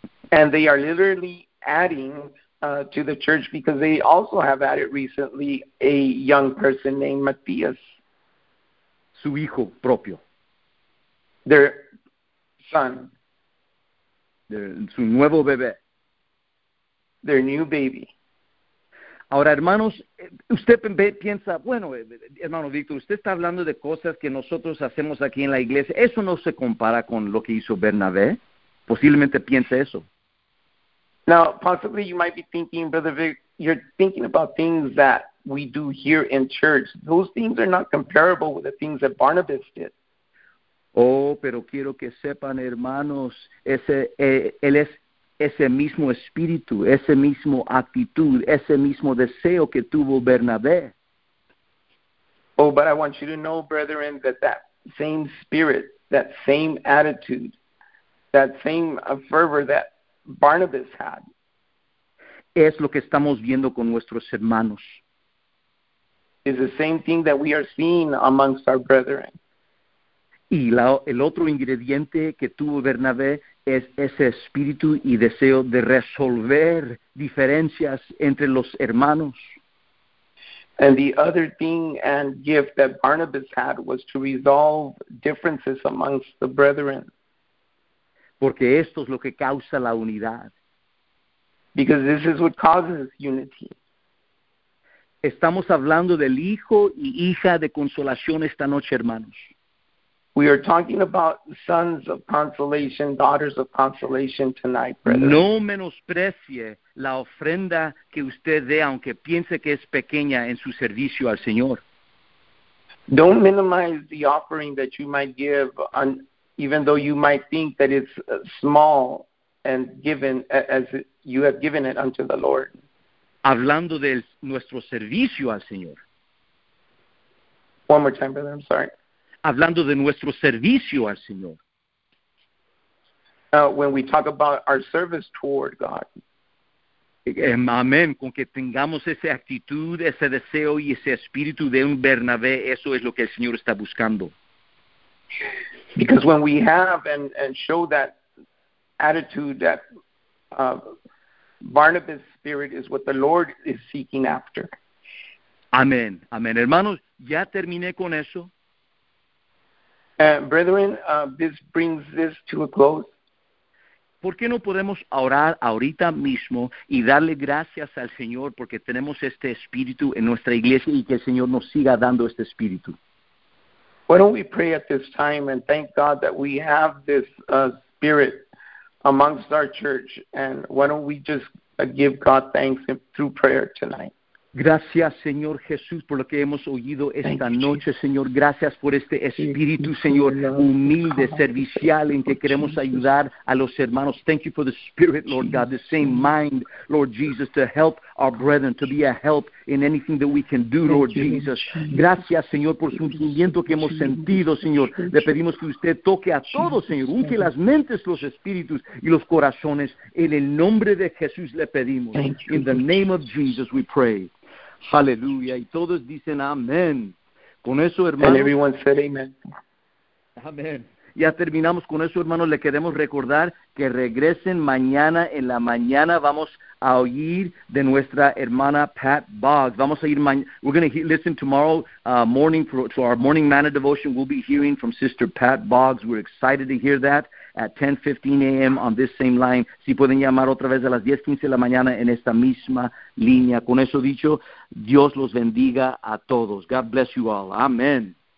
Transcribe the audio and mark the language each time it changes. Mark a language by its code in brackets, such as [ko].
[en] And they are literally adding to the church, because they also have added recently a young person named Matías. [es] Su hijo propio. [en] Their son. [es] Su nuevo bebé. [en] Their new baby. [es] Ahora, hermanos, usted piensa, bueno, hermano Víctor, usted está hablando de cosas que nosotros hacemos aquí en la iglesia. Eso no se compara con lo que hizo Bernabé. Posiblemente piense eso. [en] Now, possibly you might be thinking, Brother Vic, you're thinking about things that we do here in church. Those things are not comparable with the things that Barnabas did. [es] Oh, pero quiero que sepan, hermanos, él es ese mismo espíritu, ese mismo actitud, ese mismo deseo que tuvo Bernabé. [en] Oh, but I want you to know, brethren, that that same spirit, that same attitude, that same fervor that Barnabas had. [es] Es lo que estamos viendo con nuestros hermanos. [en] Is the same thing that we are seeing amongst our brethren. [es] Y el otro ingrediente que tuvo Bernabé es ese espíritu y deseo de resolver diferencias entre los hermanos. [en] And the other thing and gift that Barnabas had was to resolve differences amongst the brethren. [es] Porque esto es lo que causa la unidad. [en] Because this is what causes unity. [es] Estamos hablando del hijo y hija de consolación esta noche, hermanos. [en] We are talking about sons of consolation, daughters of consolation tonight, brethren. [es] No menosprecie la ofrenda que usted dé, aunque piense que es pequeña en su servicio al Señor. [en] Don't minimize the offering that you might give, even though you might think that it's small and given as you have given it unto the Lord. [es] Hablando de nuestro servicio al Señor. [en] One more time, brethren, I'm sorry. [es] Hablando de nuestro servicio al Señor. [en] When we talk about our service toward God. [es] Amén. Con que tengamos esa actitud, ese deseo y ese espíritu de un Bernabé, eso es lo que el Señor está buscando. [en] Because when we have and show that attitude, that Barnabas spirit is what the Lord is seeking after. [es] Amén. Amén. Hermanos, ya terminé con eso. [en] Brethren, this brings this to a close. [es] ¿Por qué no podemos orar ahorita mismo y darle gracias al Señor porque tenemos este espíritu en nuestra iglesia y que el Señor nos siga dando este espíritu? [en] Why don't we pray at this time and thank God that we have this spirit amongst our church, and why don't we just give God thanks through prayer tonight? [es] Gracias, Señor Jesús, por lo que hemos oído esta noche, Señor. Gracias por este espíritu, Señor, humilde, servicial, en que queremos ayudar a los hermanos. [en] Thank you for the spirit, Lord God, the same mind, Lord Jesus, to help our brethren, to be a help in anything that we can do, Lord Jesus. [es] Gracias, Señor, por su sentimiento que hemos sentido, Señor. Le pedimos que usted toque a todos, Señor. Unque las mentes, los espíritus y los corazones. En el nombre de Jesús le pedimos. [en] In the name of Jesus we pray. [es] Aleluya. Y todos dicen amén. Con eso, hermano. [en] And everyone said amen. [es] Amén. Ya terminamos con eso, hermanos. Le queremos recordar que regresen mañana en la mañana. Vamos a oír de nuestra hermana Pat Boggs. Vamos a ir mañana. [en] We're going to listen tomorrow morning to our morning manna devotion. We'll be hearing from Sister Pat Boggs. We're excited to hear that at 10:15 a.m. on this same line. [es] Si pueden llamar otra vez a las 10:15 de la mañana en esta misma línea. Con eso dicho, Dios los bendiga a todos. [en] God bless you all. [es] Amen.